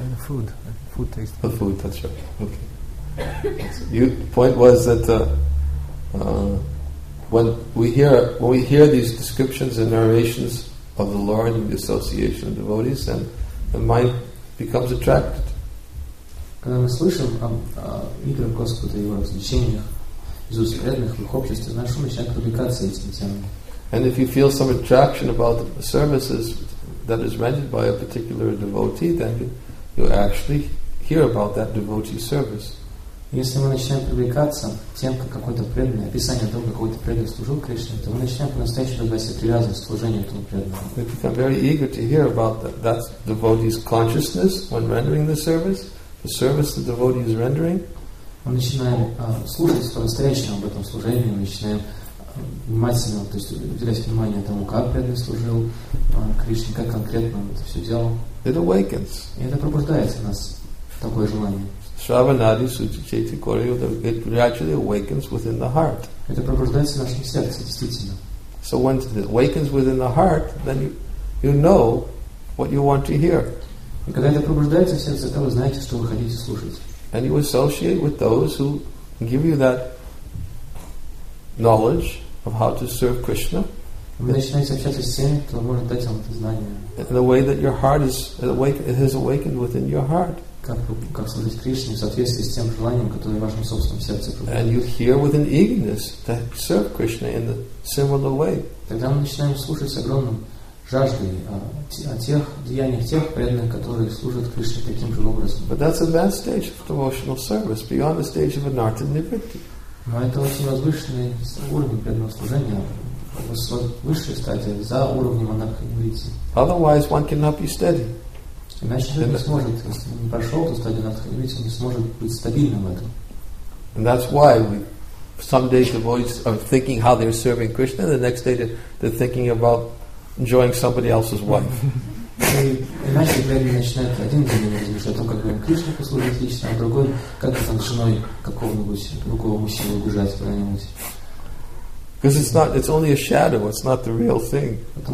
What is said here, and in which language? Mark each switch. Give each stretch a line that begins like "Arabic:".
English: And the food. The food tastes good. The food, that's right. Okay. The point was that when we hear these descriptions and narrations of the Lord and the association of devotees, then the mind becomes attracted.
Russian: Когда мы слышим об играх Господа и его развлечениях из уст преданных в их обществе, наш ум начинает привлекаться этим темам.
English: And if you feel some attraction about the services that is rendered by a particular devotee, then you actually hear about that devotee's service.
Russian: Если мы начинаем привлекаться тем, как какой-то преданный, описание того, как какой-то преданный служил Кришне, то мы начинаем по-настоящему добиться привязанности к служению этому преданному.
English: We become very eager to hear about that devotee's consciousness when rendering the service the devotee is rendering.
Russian: Мы начинаем слушать по-настоящему об этом служении, мы начинаем внимательно, то есть уделять внимание тому, как преданный служил Кришне, как конкретно он это все делал.
English: It awakens.
Russian: И это пробуждается в нас, такое желание.
Sanskrit: Shravanadi suchichaiti koryu,
English: it actually awakens within the heart.
Russian: Это пробуждается в нашем сердце, действительно.
English: So when it awakens within the heart, then you know what you want to hear.
Russian: И когда это пробуждается в сердце, то вы знаете, что вы хотите слушать.
English: And you associate with those who give you that knowledge of how to serve Krishna.
Russian: Вы начинаете общаться с теми, кто может дать вам это знание.
English: In the way that your heart is awakened, it has awakened within your heart.
Russian: Как служить Кришне в соответствии с тем желанием, которое в вашем собственном сердце пробуждается.
English: And you hear with an eagerness to serve Krishna in a similar way.
Russian: Тогда мы начинаем слушать с огромным жаждой о тех деяниях тех преданных, которые служат Кришне таким же образом.
English: But that's advanced stage of devotional service, beyond the stage of anartha nivritti.
Russian: Но это очень возвышенный уровень преданного служения, высшая стадия за уровнем анартха нивритти.
English: Otherwise, one cannot be steady.
Russian: Иначе человек не сможет, если он не прошел эту стадию анартха нивритти, он не сможет быть стабильным в этом.
English: And that's why some days the devotees are thinking how they're serving Krishna, the next day they're thinking about enjoying somebody else's wife.
Russian: Иначе преданные начинают один день размышлять о том, как им Кришне послужить лично, а другой, как там женой какого-нибудь другого мужчины убежать куда-нибудь.
English: Because it's not, it's only a shadow, it's not the real thing.